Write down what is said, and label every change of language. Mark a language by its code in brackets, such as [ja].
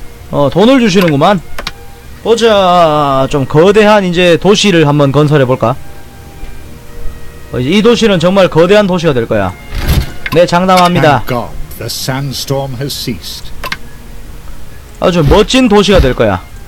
[ko] 어 돈을 주시는구만. 보자 좀 거대한 이제 도시를 한번 건설해볼까? 어, 이제 이 도시는 정말 거대한 도시가 될거야. 네 장담합니다. [en] The sandstorm has ceased. [ko] 아주 멋진 도시가 될 거야.